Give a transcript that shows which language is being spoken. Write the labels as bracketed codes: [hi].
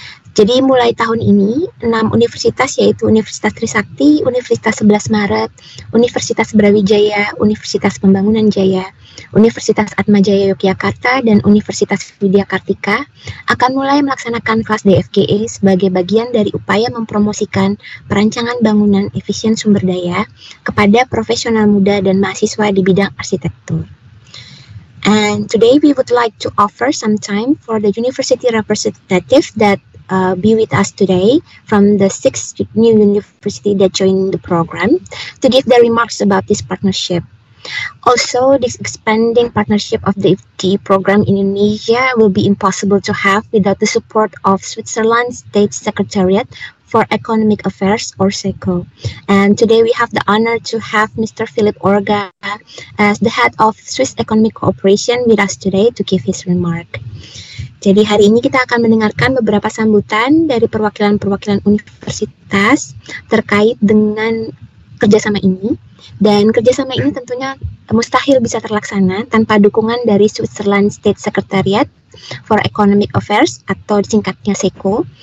[id] Jadi mulai tahun ini, 6 universitas yaitu Universitas Trisakti, Universitas 11 Maret, Universitas Brawijaya, Universitas Pembangunan Jaya, Universitas Atmajaya Yogyakarta, dan Universitas Widya Kartika akan mulai melaksanakan kelas DFGE sebagai bagian dari upaya mempromosikan perancangan bangunan efisien sumber daya kepada profesional muda dan mahasiswa di bidang arsitektur. [en] And today we would like to offer some time for the university representative that be with us today from the six new university that joined the program to give their remarks about this partnership. Also, this expanding partnership of the FT program in Indonesia will be impossible to have without the support of Switzerland State Secretariat for Economic Affairs, or SECO. And today we have the honor to have Mr. Philip Orga as the head of Swiss Economic Cooperation with us today to give his remark. [id] Jadi hari ini kita akan mendengarkan beberapa sambutan dari perwakilan-perwakilan universitas terkait dengan kerjasama ini. Dan kerjasama ini tentunya mustahil bisa terlaksana tanpa dukungan dari Switzerland State Secretariat for Economic Affairs atau singkatnya SECO.